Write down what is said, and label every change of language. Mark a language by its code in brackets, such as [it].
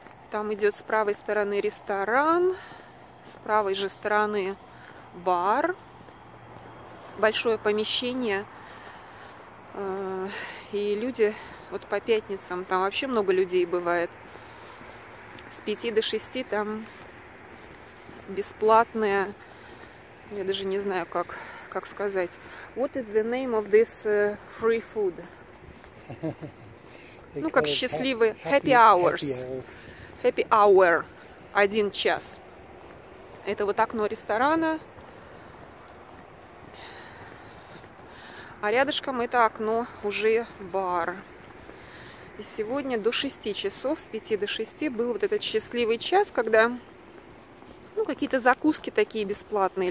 [ru] Там идет с правой стороны ресторан, с правой же стороны бар, большое помещение, и люди вот по пятницам, там вообще много людей бывает, с 5 до 6 там бесплатное, я даже не знаю, как сказать. [en] What is the name of this free food? [ru] Ну, как счастливые, happy hours. Happy hour. Один час. Это вот окно ресторана. А рядышком это окно уже бар. И сегодня до 6 часов, с 5 до 6, был вот этот счастливый час, когда, ну, какие-то закуски такие бесплатные.